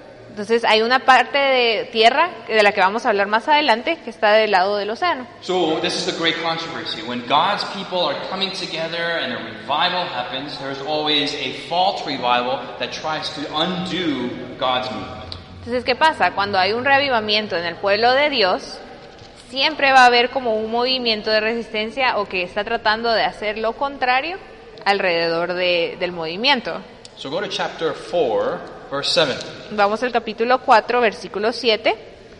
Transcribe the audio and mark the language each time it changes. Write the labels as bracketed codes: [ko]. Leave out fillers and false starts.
[es] Entonces hay una parte de tierra de la que vamos a hablar más adelante que está del lado del océano. [en] So this is a great controversy. When God's people are coming together and a revival happens, there's always a false revival that tries to undo God's movement. [es] Entonces, ¿qué pasa? Cuando hay un reavivamiento en el pueblo de Dios, siempre va a haber como un movimiento de resistencia o que está tratando de hacer lo contrario alrededor del movimiento. [en] So go to chapter 4. Verse 7. [es] Vamos al capítulo 4, versículo 7.